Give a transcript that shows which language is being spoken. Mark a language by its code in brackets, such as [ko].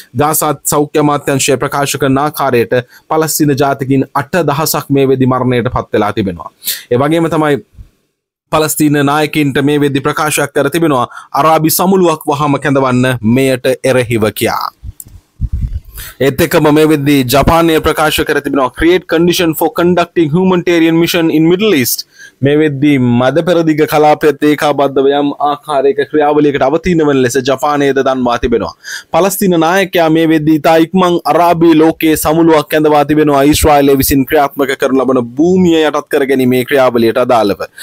[si] Gaza සෞඛ්‍ය අමාත්‍යාංශය ප්‍රකාශ කරන ආකාරයට පලස්තින ජාතිකින් 8000ක් මේ වෙද්දී මරණයට පත් වෙලා තිබෙනවා. ඒ වගේම තමයි පලස්තින නායකින්ට මේ වෙද්දි ප්‍රකාශයක් කර තිබෙනවා අරාබි සමුළුවක් වහම කැඳවන්න මෙයට එරෙහිව කියා. ඒත් එක්කම මේ වෙද්දි ජපානය ප්‍රකාශ කර තිබෙනවා [en] create condition for conducting humanitarian mission in Middle East. [si] මේ වෙද්දි මද පෙරදිග කලාපයේ ඒකාබද්ධව යම් ආකාරයක ක්‍රියාවලියකට අවතීනවන ලෙස ජපානයද දන්වා තිබෙනවා. පලස්තින නායකයා මේ වෙද්දි ඉතා ඉක්මන් අරාබි ලෝකයේ සමුළුවක් කැඳවා තිබෙනවා ඊශ්‍රායලය විසින් ක්‍රියාත්මක කරන ලබන භූමිය යටත් කර ගැනීමේ ක්‍රියාවලියට අදාළව.